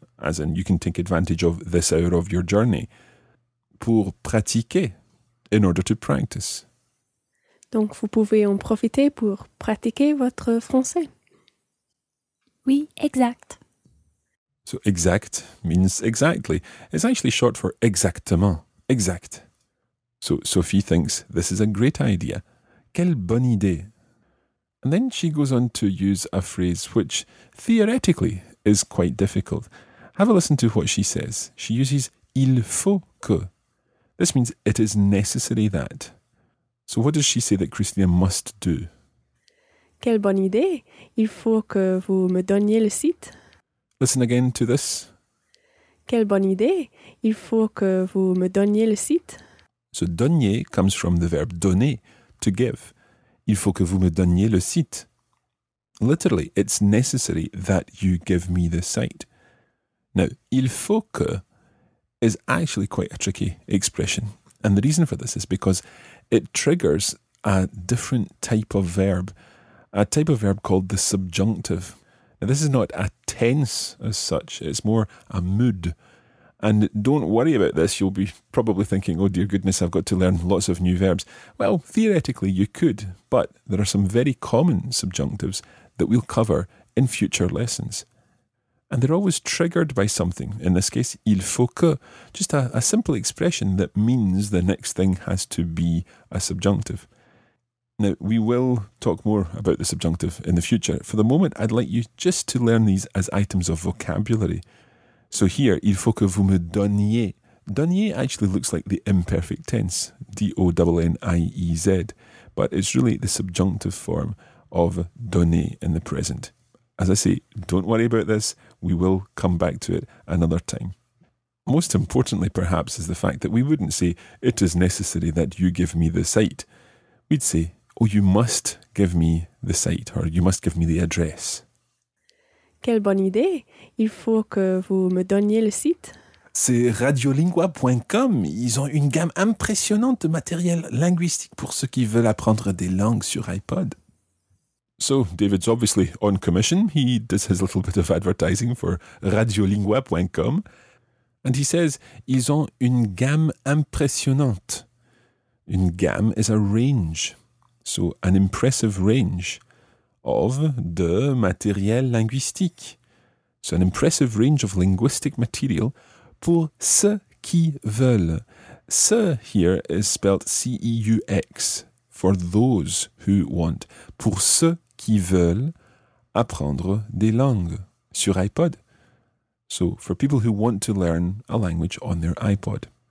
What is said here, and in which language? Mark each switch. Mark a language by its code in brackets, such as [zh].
[en] As in, you can take advantage of this hour of your journey. [fr] Pour pratiquer, [en] in order to practice. [fr] Donc vous pouvez en profiter pour pratiquer votre français. Oui, exact. [en] So exact means exactly. It's actually short for exactement. Exact. So Sophie thinks this is a great idea. [fr] Quelle bonne idée. [en] And then she goes on to use a phrase which theoretically is quite difficult. Have a listen to what she says. She uses il faut que. This means it is necessary that. So what does she say that Christina must do? [fr] Quelle bonne idée. Il faut que vous me donniez le site. [en] Listen again to this. [fr] Quelle bonne idée. Il faut que vous me donniez le site. [en] So donner comes from the verb donner, to give. [fr] Il faut que vous me donniez le site. [en] Literally, it's necessary that you give me the site. Now, il faut que is actually quite a tricky expression. And the reason for this is because it triggers a different type of verb, a type of verb called the subjunctive. Now, this is not a tense as such. It's more a mood. And don't worry about this. You'll be probably thinking, oh, dear goodness, I've got to learn lots of new verbs. Well, theoretically, you could. But there are some very common subjunctives that we'll cover in future lessons. And they're always triggered by something. In this case, il faut que. Just a simple expression that means the next thing has to be a subjunctive. Now, we will talk more about the subjunctive in the future. For the moment, I'd like you just to learn these as items of vocabulary. So here, [fr] il faut que vous me donniez. [en] Donniez actually looks like the imperfect tense, D-O-N-N-I-E-Z, but it's really the subjunctive form of donner in the present. As I say, don't worry about this. We will come back to it another time. Most importantly, perhaps, is the fact that we wouldn't say, it is necessary that you give me the site. We'd say, oh, you must give me the site, or you must give me the address. [fr] Quelle bonne idée. Il faut que vous me donniez le site. C'est radiolingua.com. Ils ont une gamme impressionnante de matériel linguistique pour ceux qui veulent apprendre des langues sur iPod. [en] So, David's obviously on commission. He does his little bit of advertising for radiolingua.com. And he says, [fr] ils ont une gamme impressionnante. [en] Une gamme is a range. So, an impressive range of [fr] de matériel linguistique. [en] So, an impressive range of linguistic material [fr] pour ceux qui veulent. [en] Ce here is spelled C-E-U-X, for those who want. [fr] Pour ceux qui veulent apprendre des langues sur iPod. [en] So, for people who want to learn a language on their iPod.